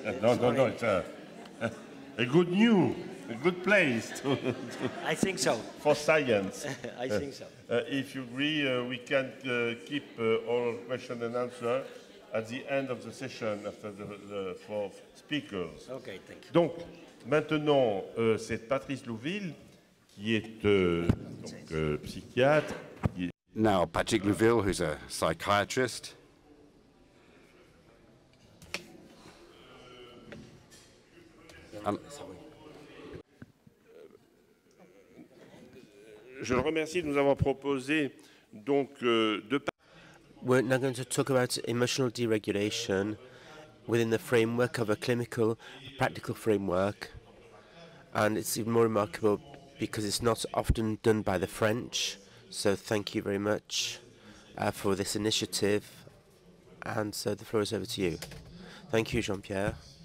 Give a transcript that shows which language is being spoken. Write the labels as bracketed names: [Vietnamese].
[English] No. It's a good news. A good place to I think so. For science. I think so. If you agree, we can keep all question and answer at the end of the session after the four speakers. Okay, thank you. [French] Donc, maintenant, c'est Patrice Louville qui est donc, psychiatre. [English] Now, Patrick Louville, who's a psychiatrist. [French] Je le remercie de nous avoir proposé donc de. [English] We're now going to talk about emotional deregulation within the framework of a clinical, practical framework, and it's even more remarkable because it's not often done by the French. So thank you very much for this initiative, and so the floor is over to you. Thank you, Jean-Pierre.